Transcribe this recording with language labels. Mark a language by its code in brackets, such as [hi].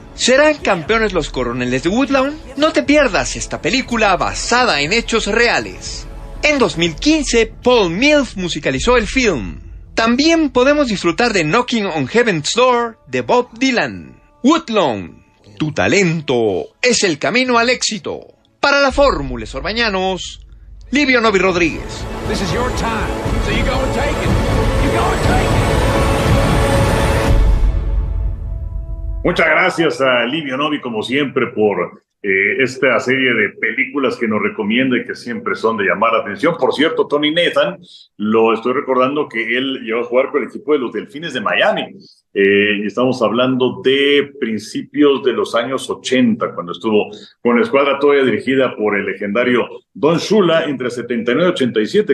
[es] ¿Serán campeones los coroneles de Woodlawn? No te pierdas esta película basada en hechos reales. En 2015, Paul Mills musicalizó el film. También podemos disfrutar de Knocking on Heaven's Door de Bob Dylan. Woodlawn, tu talento es el camino al éxito. Para la Fórmula Sorbañanos, Livio Novi Rodríguez. [en] This is your time, so you go and take it. [es] Muchas gracias a Livio Novi, como siempre, por esta serie de películas que nos recomienda y que siempre son de llamar la atención. Por cierto, Tony Nathan, lo estoy recordando que él llegó a jugar con el equipo de los Delfines de Miami. Y estamos hablando de principios de los años 80, cuando estuvo con la escuadra todavía dirigida por el legendario Don Shula, entre 79 y 87.